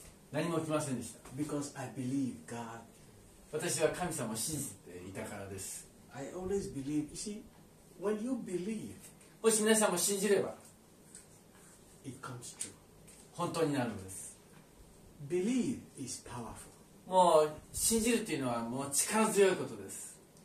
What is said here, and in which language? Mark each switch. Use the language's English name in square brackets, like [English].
[Japanese] 何も起きませんでした。 [English] Because I believe God. [Japanese] 私は神様を信じていたからです。 [English] I always believe, you see,When you believe, [Japanese] もし皆さんも信じれば [English] it comes true. [Japanese] 本当になるんです。 [English] Believe is powerful. [Japanese] もう信じるというのはもう力強いことです。